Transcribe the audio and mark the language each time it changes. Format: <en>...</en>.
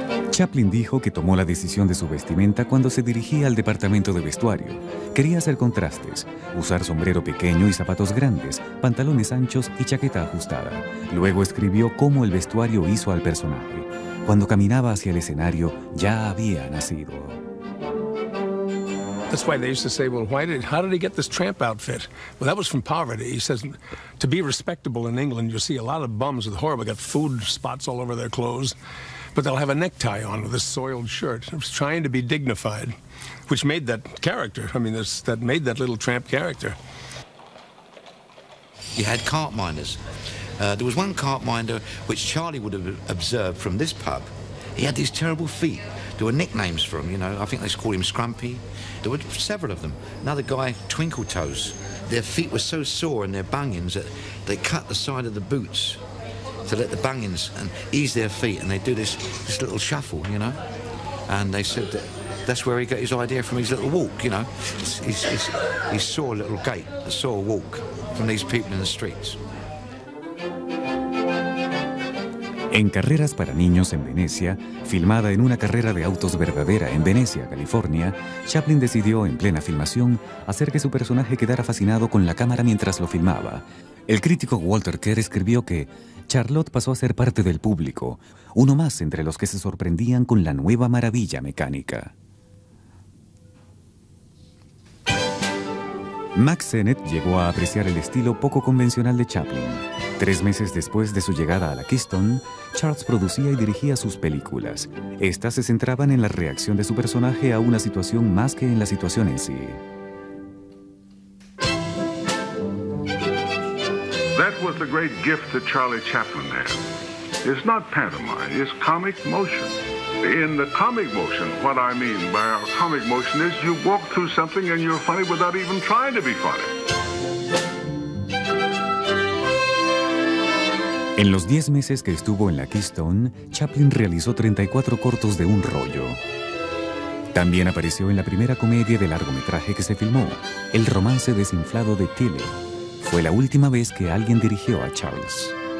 <es>Chaplin dijo que tomó la decisión de su vestimenta cuando se dirigía al departamento de vestuario. Quería hacer contrastes: usar sombrero pequeño y zapatos grandes, pantalones anchos y chaqueta ajustada. Luego escribió cómo el vestuario hizo al personaje. Cuando caminaba hacia el escenario, ya había nacido.</es> <en>That's why they used to say, "Well, how did he get this tramp outfit?" Well, that was from poverty. He says, "To be respectable in England, you see a lot of bums with horrible, got food spots all over their clothes." But they'll have a necktie on with a soiled shirt. I was trying to be dignified, which made that character. I mean, that made that little tramp character. You had cart miners. There was one cart miner which Charlie would have observed from this pub. He had these terrible feet. There were nicknames for him, you know. I think they called him Scrumpy. There were several of them. Another guy, Twinkle Toes. Their feet were so sore and their bunions that they cut the side of the boots to let the bunions and ease their feet, and they do this little shuffle, you know. And they said that that's where he got his idea from his little walk, you know. His sore little gait, a sore walk from these people in the streets.</en> <es>En Carreras para Niños en Venecia, filmada en una carrera de autos verdadera en Venecia, California, Chaplin decidió, en plena filmación, hacer que su personaje quedara fascinado con la cámara mientras lo filmaba. El crítico Walter Kerr escribió que Charlotte pasó a ser parte del público, uno más entre los que se sorprendían con la nueva maravilla mecánica. Max Sennett llegó a apreciar el estilo poco convencional de Chaplin. 3 meses después de su llegada a la Keystone, Charles producía y dirigía sus películas. Estas se centraban en la reacción de su personaje a una situación más que en la situación en sí.</es> <en>That was the great gift that Charlie Chaplin had. It's not pantomime, it's comic motion. In the comic motion, what I mean by our comic motion is you walk through something and you're funny without even trying to be funny.</en> <es>En los 10 meses que estuvo en la Keystone, Chaplin realizó 34 cortos de un rollo. También apareció en la primera comedia de largometraje que se filmó, El romance desinflado de Tilly. Fue la última vez que alguien dirigió a Charles.</es>